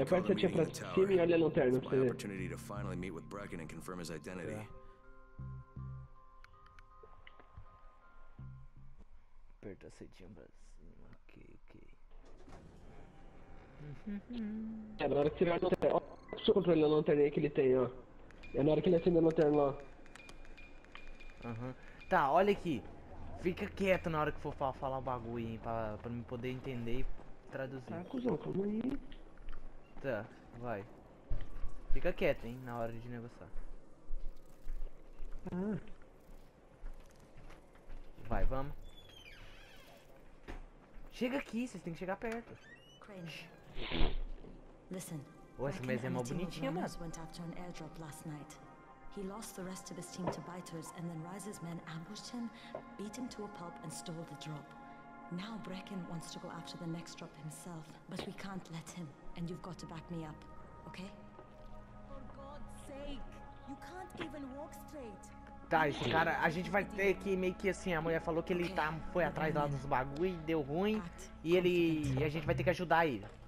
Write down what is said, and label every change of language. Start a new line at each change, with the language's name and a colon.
Portuguese: Aperta a tia pra cima e olha a lanterna pra você ver.
English: Opportunity to finally meet with Brecken and confirm his identity.
Portuguese: É. Aperta a setinha pra cima. Ok, ok. É, na hora que tiver a lanterna, ó, o seu controle da lanterna que ele tem, ó. É na hora que ele acende a lanterna, ó. Aham. Tá, olha aqui. Fica quieto na hora que for falar o bagulho, hein, pra me poder entender e traduzir. Tá, cuzão, calma aí. Tá, vai. Fica quieto, hein, na hora de negociar. Ah. Vai, vamos. Chega aqui, vocês têm que chegar perto.
English: Cringe. Listen.
Portuguese: Oh, essa mesa é mó bonitinha, mano.
English: Went after an airdrop last night. He lost the rest of his team to biters and then Rise's men ambushed him, beat him to a pulp and stole the drop. Now Brecken wants to go after the next drop himself, but we can't let him. And you've got to back me up, okay? For God's sake, you can't even walk straight.
Portuguese: Tá, esse cara, a gente vai ter que meio que assim, a mulher falou que ele tá, foi atrás lá dos bagulho e deu ruim. E ele. E a gente vai ter que ajudar ele.